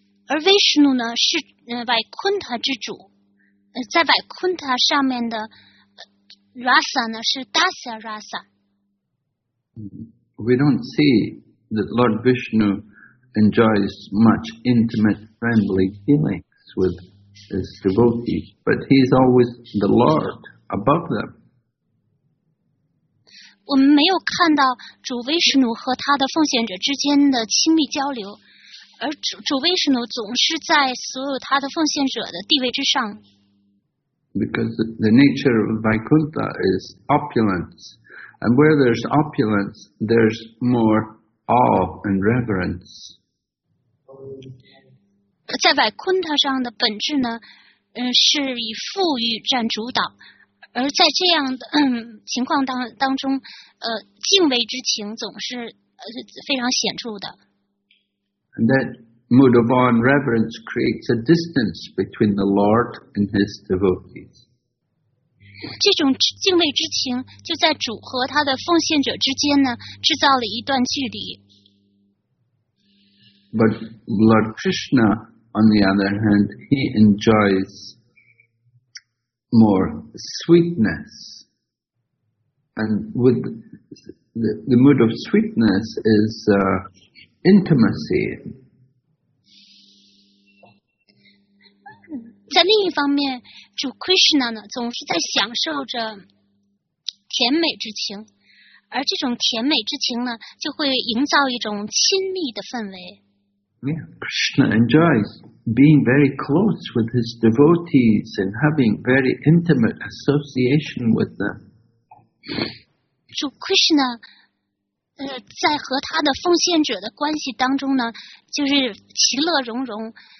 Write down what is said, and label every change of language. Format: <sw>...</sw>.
<zh>而 Vishnu 呢是Vaikuntha 之主，在 Vaikuntha 上面的 Rasa 呢是 Dasya Rasa.</zh> <en>We don't see that Lord Vishnu enjoys much intimate friendly feelings withis devotee, but he is always the Lord above them.</en> <zh>我们没有看到主威士奴和他的奉献者之间的亲密交流，而主威士奴总是在所有他的奉献者的地位之上。</zh> <en>Because the nature of Vaikuntha is opulence, and where there's opulence, there's more awe and reverence.</en> <zh>在 Vaikuntha 上的本质呢，是以富裕占主导，而在这样的情况当中，敬畏之情总是非常显著的。</zh> <en>And that mood of awe and reverence creates a distance between the Lord and his devotees.</en> <zh>这种敬畏之情就在主和他的奉献者之间呢，制造了一段距离。</zh> <en>But Lord Krishna, on the other hand, he enjoys more sweetness. And with the mood of sweetness is intimacy.</en> <zh>在另一方面，主 Krishna 呢，总是在享受着甜美之情，而这种甜美之情呢，就会营造一种亲密的氛围。</zh> <en>Yeah, Krishna enjoys being very close with his devotees and having very intimate association with them.</en> <zh>主 Krishna 在和他的奉献者的关系当中呢，就是其乐融融。</zh>